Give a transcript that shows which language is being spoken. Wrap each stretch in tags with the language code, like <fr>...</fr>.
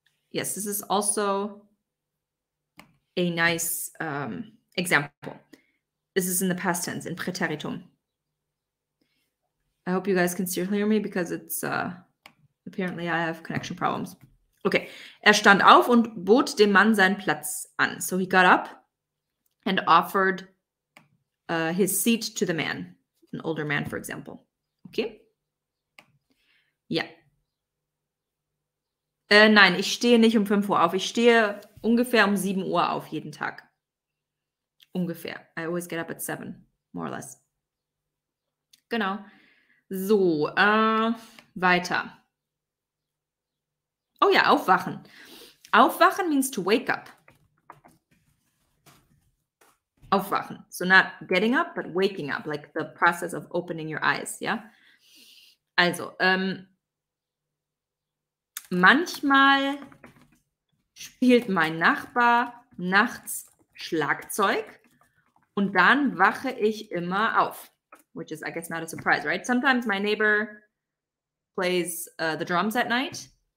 <en>Yes, this is also a nice example. This is in the past tense, in Präteritum. I hope you guys can still hear me because it's, apparently I have connection problems.</en> <de>Okay, er stand auf und bot dem Mann seinen Platz an.</de> <en>So he got up and offered his seat to the man, an older man, for example. Okay? Ja.</en> <de>Nein, ich stehe nicht um 5 Uhr auf. Ich stehe ungefähr um 7 Uhr auf jeden Tag.</de> <en>Ungefähr. I always get up at 7, more or less. Genau.</en> <de>So, weiter.</de> <en>Oh ja, aufwachen. Aufwachen means to wake up. Aufwachen. So not getting up, but waking up. Like the process of opening your eyes. Yeah?</en> <de>Also, manchmal spielt mein Nachbar nachts Schlagzeug und dann wache ich immer auf.</de> <en>Which is, I guess, not a surprise, right? Sometimes my neighbor plays the drums at night.</en>